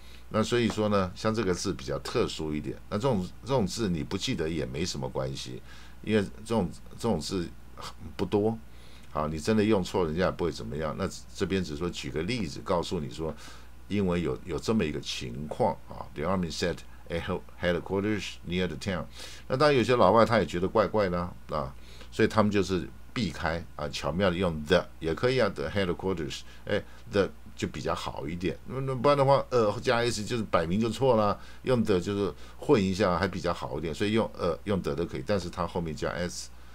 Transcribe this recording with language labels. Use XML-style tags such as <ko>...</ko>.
<zh>那所以说呢，像这个字比较特殊一点。那这种字你不记得也没什么关系，因为这种字不多。啊，你真的用错，人家也不会怎么样。那这边只说举个例子，告诉你说，英文有这么一个情况啊。</zh> <en>The army set a headquarters near the town。</en> <zh>那当然，有些老外他也觉得怪怪的 啊，所以他们就是避开啊，巧妙的用 the 也可以啊 ，the headquarters， 哎 ，the 就比较好一点。那不然的话，加 s 就是摆明就错了，用 the 就是混一下还比较好一点，所以用 the 都可以，但是他后面加 s。</zh>